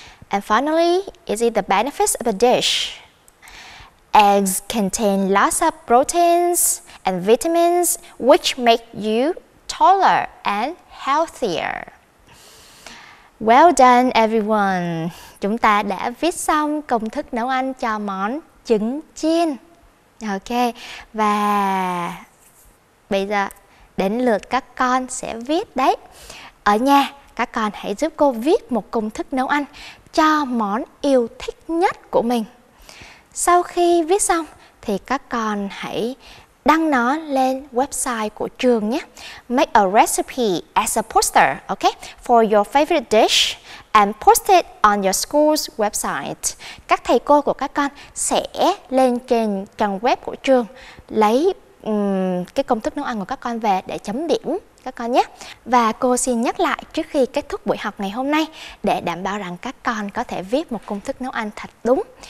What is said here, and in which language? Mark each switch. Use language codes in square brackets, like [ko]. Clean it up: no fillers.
[en] And finally, is it the benefits of the dish? Eggs contain lots of proteins and vitamins which make you taller and healthier. Well done everyone! [vi] Chúng ta đã viết xong công thức nấu ăn cho món trứng chiên. Ok, và bây giờ đến lượt các con sẽ viết đấy. Ở nhà, các con hãy giúp cô viết một công thức nấu ăn cho món yêu thích nhất của mình. Sau khi viết xong thì các con hãy đăng nó lên website của trường nhé. [en] Make a recipe as a poster, okay, for your favorite dish and post it on your school's website. [vi] Các thầy cô của các con sẽ lên trên trang web của trường lấy cái công thức nấu ăn của các con về để chấm điểm các con nhé. Và cô xin nhắc lại trước khi kết thúc buổi học ngày hôm nay để đảm bảo rằng các con có thể viết một công thức nấu ăn thật đúng.